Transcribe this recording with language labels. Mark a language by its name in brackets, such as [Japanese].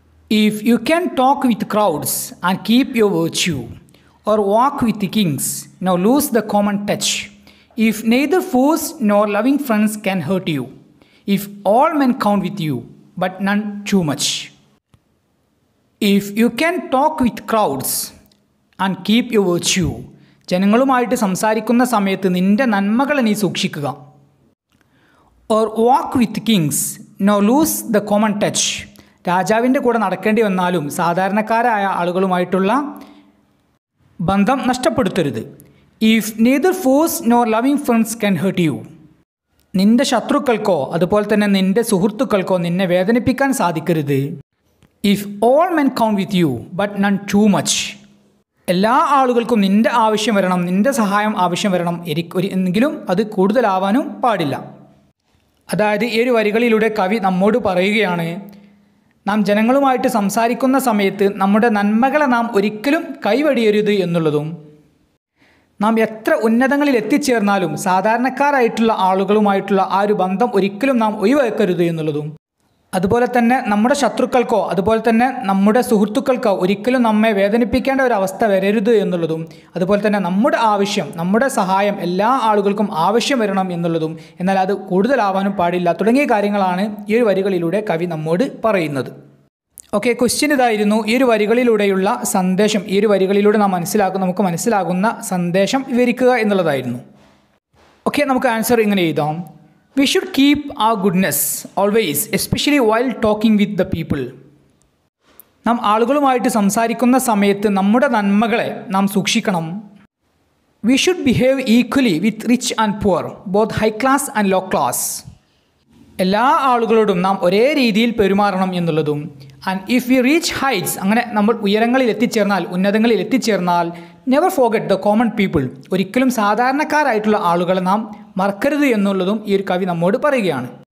[English] If you can talk with crowds and keep your virtue or walk with kings now lose the common touch if neither force nor loving friends can hurt you if all men count with you but none too much. If you can talk with crowds and keep your virtue, [Malayalam] ജനങ്ങളുമായിട്ട് സംസാരിക്കുന്ന സമയത്ത് നിൻ്റെ നന്മകളെ നീ സൂക്ഷിക്കുക. [English] Or walk with kings, nor lose the common touch. [Malayalam] രാജാവിൻ്റെ കൂടെ നടക്കേണ്ടി വന്നാലും സാധാരണക്കാരായ ആളുകളുമായിട്ടുള്ള ബന്ധം നഷ്ടപ്പെടുത്തരുത്. [English] If neither foes nor loving friends can hurt you, [Malayalam] നിൻ്റെ ശത്രുക്കൾക്കോ അതുപോലെ തന്നെ നിൻ്റെ സുഹൃത്തുക്കൾക്കോ നിന്നെ വേദനിപ്പിക്കാൻ സാധിക്കരുത്. [English] If all men count with you, but none too much. [Malayalam] എല്ലാ ആളുകൾക്കും നിൻ്റെ ആവശ്യം വരണം, നിൻ്റെ സഹായം ആവശ്യം വരണം, എങ്കിലും അത് കൂടുതലാവാനും പാടില്ല. അതായത് ഈ ഒരു വരികളിലൂടെ കവി നമ്മോട് പറയുകയാണ്, നാം ജനങ്ങളുമായിട്ട് സംസാരിക്കുന്ന സമയത്ത് നമ്മുടെ നന്മകളെ നാം ഒരിക്കലും കൈവടിയരുത് എന്നുള്ളതും, നാം എത്ര ഉന്നതങ്ങളിൽ എത്തിച്ചേർന്നാലും സാധാരണക്കാരായിട്ടുള്ള ആളുകളുമായിട്ടുള്ള ആ ഒരു ബന്ധം ഒരിക്കലും നാം ഒഴിവാക്കരുത് എന്നുള്ളതും, അതുപോലെ തന്നെ നമ്മുടെ ശത്രുക്കൾക്കോ അതുപോലെ തന്നെ നമ്മുടെ സുഹൃത്തുക്കൾക്കോ ഒരിക്കലും നമ്മെ വേദനിപ്പിക്കേണ്ട ഒരവസ്ഥ വരരുത് എന്നുള്ളതും, അതുപോലെ തന്നെ നമ്മുടെ ആവശ്യം, നമ്മുടെ സഹായം എല്ലാ ആളുകൾക്കും ആവശ്യം വരണം എന്നുള്ളതും, എന്നാൽ അത് കൂടുതലാവാനും പാടില്ല തുടങ്ങിയ കാര്യങ്ങളാണ് ഈ ഒരു വരികളിലൂടെ കവി നമ്മോട് പറയുന്നത്. ഓക്കെ, ക്വസ്റ്റ്യൻ ഇതായിരുന്നു, ഈ ഒരു വരികളിലൂടെയുള്ള സന്ദേശം, ഈ ഒരു വരികളിലൂടെ നാം നമുക്ക് മനസ്സിലാകുന്ന സന്ദേശം വിവരിക്കുക എന്നുള്ളതായിരുന്നു. [English] okay, [Malayalam] നമുക്ക് ആൻസർ ഇങ്ങനെ എഴുതാം, [English] We should keep our goodness always, especially while talking with the people. [Malayalam] നാം ആളുകളുമായിട്ട് സംസാരിക്കുന്ന സമയത്ത് നമ്മുടെ നന്മകളെ നാം സൂക്ഷിക്കണം. [English] We should behave equally with rich and poor, both high class and low class. [Malayalam] എല്ലാ ആളുകളോടും നാം ഒരേ രീതിയിൽ പെരുമാറണം എന്നുള്ളതും, [English] and if we reach heights, [Malayalam] അങ്ങനെ നമ്മൾ ഉന്നതങ്ങളിൽ എത്തിച്ചേർന്നാൽ [English] never forget the common people. [Malayalam] ഒരിക്കലും സാധാരണക്കാരായിട്ടുള്ള ആളുകളെ നാം മറക്കരുത് എന്നുള്ളതും ഈ ഒരു കവി നമ്മോട് പറയുകയാണ്.